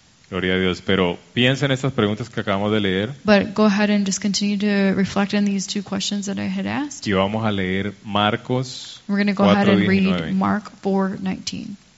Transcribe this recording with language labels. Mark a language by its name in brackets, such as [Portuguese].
[Spanish] Gloria a Dios. Pero piensa en estas preguntas que acabamos de leer. [English] But go ahead and just continue to reflect on these two questions that I had asked. [Spanish] Y vamos a leer Marcos 4:19. [English] We're going to go ahead and read Mark 4:19.